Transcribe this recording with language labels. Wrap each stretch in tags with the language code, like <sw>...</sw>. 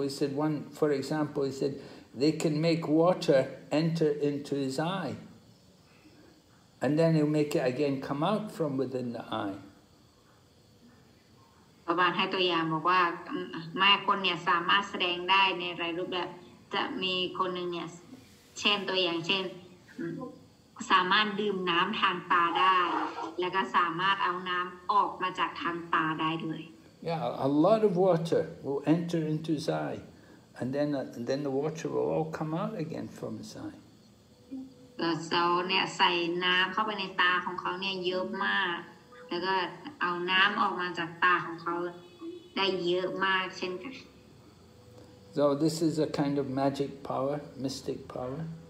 <en>He said one, for example, he said they can make water enter into his eye, and then he'll make it again come out from within the eye.</en> <th>พระบาทให้ตัวอย่างบอกว่ามายาคนเนี่ยสามารถแสดงได้ในรายรูปแบบจะมีคนหนึ่งเนี่ยเช่นตัวอย่างเช่นสามารถดื่มน้ำทางตาได้แล้วก็สามารถเอาน้ำออกมาจากทางตาได้ด้วย</th> <en>Yeah, a lot of water will enter into his eye, and then the water will all come out again from his eye.</en> <th>เราเนี่ยใส่น้ำเข้าไปในตาของเขาเนี่ยเยอะมาก แล้วก็เอาน้ำออกมาจากตาของเขาได้เยอะมากเช่นกัน</th> <en>So this is a kind of magic power, mystic power.</en>